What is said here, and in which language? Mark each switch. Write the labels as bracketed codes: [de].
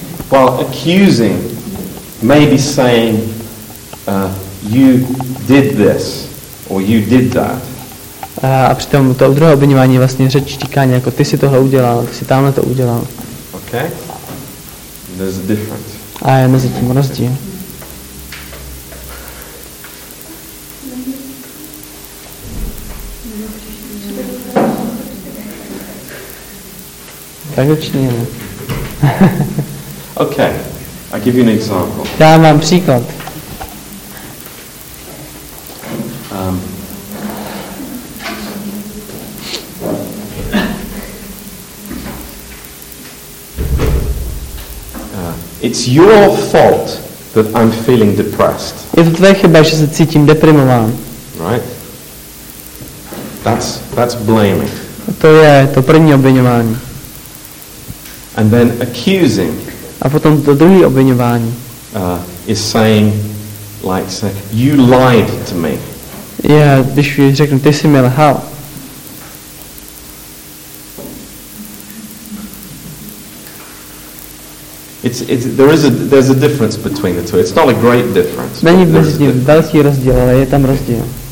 [en] While accusing, maybe saying you did this or you did that. [cs] A přitom to druhé obvinování vlastně řečí říkání jako ty si tohle udělal, ty si tamhle to udělal. [en] Okay. There's a difference. [cs] A je mezi tím rozdíl. Tak začněme. [en] Okay. I give you an example. [cs] Já mám příklad. [en] It's your fault that I'm feeling depressed. [cs] Je to tvé chyba, že se cítím deprimován. [en] Right? That's blaming. [cs] To je to první obviňování. [en] And then accusing. [cs] A potom to druhé obviňování. [en] Is saying, like, say, you lied to me. [cs] Yeah, když řeknu, ty jsi mi lhal. [en] There's a difference between the two. It's not a great difference. [cs] Není mezi tím velký rozdíl, ale je tam rozdíl.